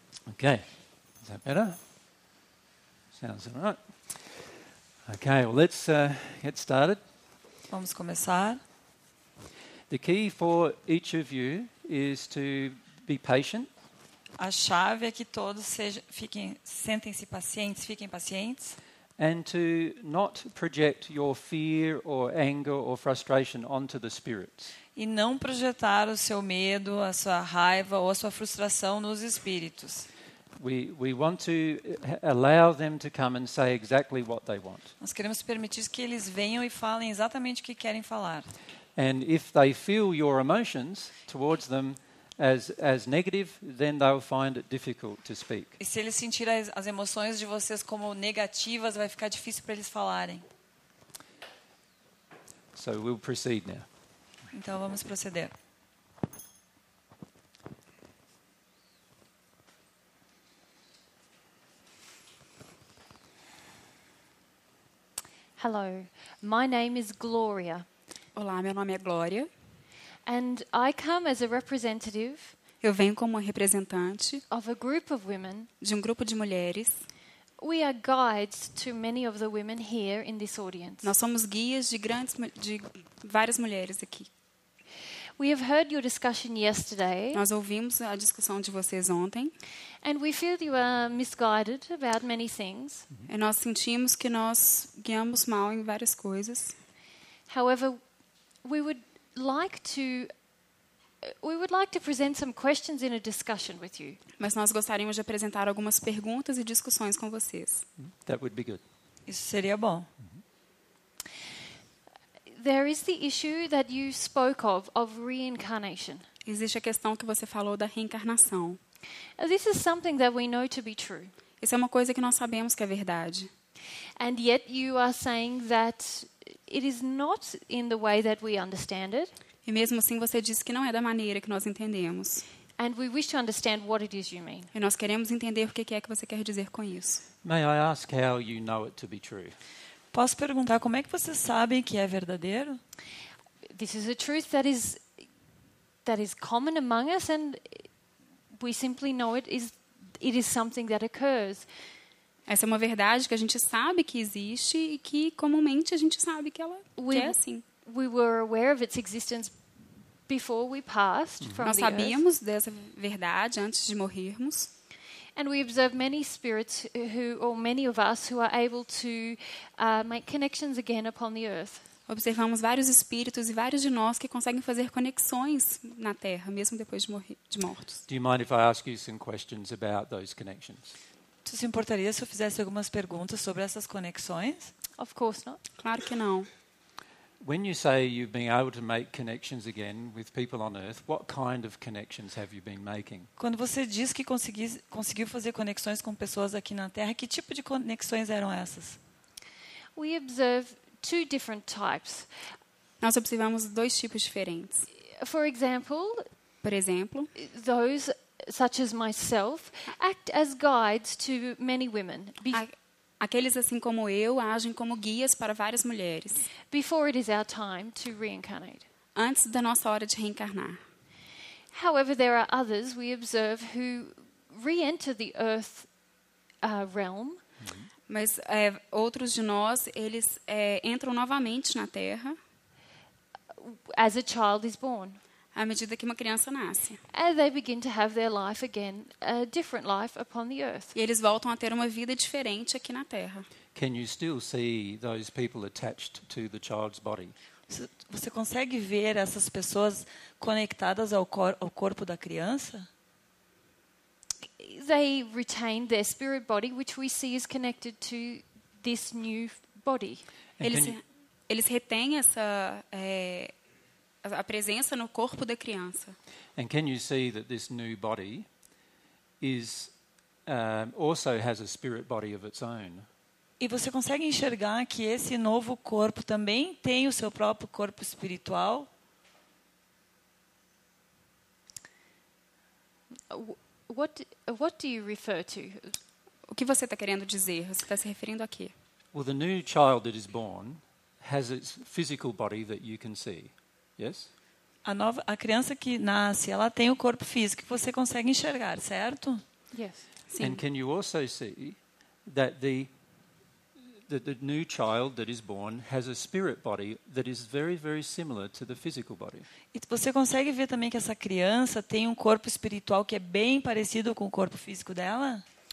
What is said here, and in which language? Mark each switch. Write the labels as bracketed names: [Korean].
[English] Okay, is that better? Sounds all right. Okay, well, let's get started. [Portuguese] Vamos começar. [English] The key for each of you is to be patient. [Portuguese] A chave é que todos sentem-se pacientes, fiquem pacientes. [English] And to not project your fear or anger or frustration onto the spirits. [Portuguese] E não projetar o seu medo, a sua raiva ou a sua frustração nos espíritos. [English] We want to allow them to come and say exactly what they want. [Portuguese] Nós queremos permitir que eles venham e falem exatamente o que querem falar. [English] And if they feel your emotions towards them as negative, then they'll find it difficult to speak. [Portuguese] E se eles sentirem as emoções de vocês como negativas, vai ficar difícil para eles falarem. [English] So we'll proceed now. [Portuguese] Então vamos proceder. [English] Hello, my name is Gloria. [Portuguese] Olá, meu nome é Glória. [English] And I come as a representative. [Portuguese] Eu venho como uma representante. [English] Of a group of women. [Portuguese] De um grupo de mulheres. [English] We are guides to many of the women here in this audience. [Portuguese] Nós somos guias de várias mulheres aqui. [English] We have heard your discussion yesterday. [Portuguese] Nós ouvimos a discussão de vocês ontem. [English] And we feel you are misguided about many things. [Portuguese] E nós sentimos que nós guiamos mal em várias coisas. [English] However, we would like to present some questions in a discussion with you. [Portuguese] Mas nós gostaríamos de apresentar algumas perguntas e discussões com vocês. [English] That would be good. [Portuguese] Isso seria bom. [English] There is the issue that you spoke of reincarnation. [Portuguese] Existe a questão que você falou da reencarnação. [English] This is something that we know to be true. [Portuguese] Isso é uma coisa que nós sabemos que é verdade. [English] And yet you are saying that it is not in the way that we understand it. [Portuguese] E mesmo assim você diz que não é da maneira que nós entendemos. [English] And we wish to understand what it is you mean. [Portuguese] E nós queremos entender o que é que você quer dizer com isso. [English] May I ask how you know it to be true? [Portuguese] Posso perguntar como é que vocês sabem que é verdadeiro? [English] This is a truth that is common among us, and we simply know it is something that occurs. [Portuguese] Essa é uma verdade que a gente sabe que existe e que comumente a gente sabe que ela é assim. [English] We were aware of its existence before we passed from [Portuguese] nós sabíamos dessa verdade antes de morrermos. [English] And we observe many spirits who, or many of us who are able to make connections again upon the earth. [Portuguese] Observamos vários espíritos e vários de nós que conseguem fazer conexões na Terra, mesmo depois de mortos. [English] Do you mind if I ask you some questions about those connections? [Portuguese] Tu se importaria se eu fizesse algumas perguntas sobre essas conexões? [English] Of course not. [Portuguese] Claro que não. [English] When you say you've been able to make connections again with people on Earth, what kind of connections have you been making? [Portuguese] Quando você diz que conseguiu fazer conexões com pessoas aqui na Terra, que tipo de conexões eram essas? [English] We observe two different types. [Portuguese] Nós observamos dois tipos diferentes. [English] For example, [Portuguese] por exemplo, [English] those such as myself act as guides to many women. [Portuguese] Aqueles assim como eu agem como guias para várias mulheres. [English] Before it is our time to reincarnate. [Portuguese] Antes da nossa hora de reencarnar. [English] However, there are others we observe who re-enter the earth realm. [Portuguese] Mas outros de nós, eles entram novamente na Terra. [English] As a child is born. [Portuguese] À medida que uma criança nasce. [English] And they begin to have their life again, a different life upon the earth. [Portuguese] E eles voltam a ter uma vida diferente aqui na Terra. [English] Can you still see those people attached to the child's body? [Portuguese] Você consegue ver essas pessoas conectadas ao corpo da criança? [English] They retain their spirit body, which we see is connected to this new body. [Portuguese] Eles retêm essa a presença no corpo da criança. [English] And can you see that this new body is also has a spirit body of its own? [Portuguese] E você consegue enxergar que esse novo corpo também tem o seu próprio corpo espiritual? [English] What do you refer to? [Portuguese] O que você está querendo dizer? Você está se referindo a quê? [English] Well, the new child that is born has its physical body that you can see. Yes? [Portuguese] A criança que nasce, ela tem o corpo físico que você consegue enxergar, certo? [English] Yes. [Portuguese] Sim. [English] And can you also see that the new child that is born has a spirit body that is very, very similar to the physical body? [Portuguese] E você consegue ver também que essa criança tem um corpo espiritual que é bem parecido com o corpo físico dela?